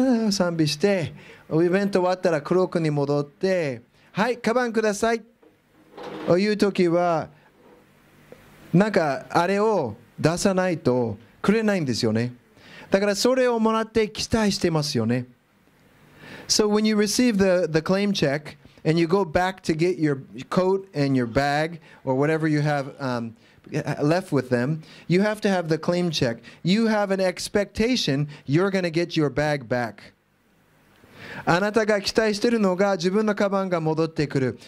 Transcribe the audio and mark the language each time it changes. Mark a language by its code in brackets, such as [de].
[ja] 賛美してイベント終わったらクロークに戻って、はいカバンくださいという時は、なんかあれを出さないとくれないんですよね。だからそれをもらって期待してますよね。 [en] So when you receive the claim check and you go back to get your coat and your bag or whatever you haveLeft with them, you have to have the claim check. You have an expectation you're going to get your bag back. [ja] あなたが期待してるのが自分のカバンが戻ってくる。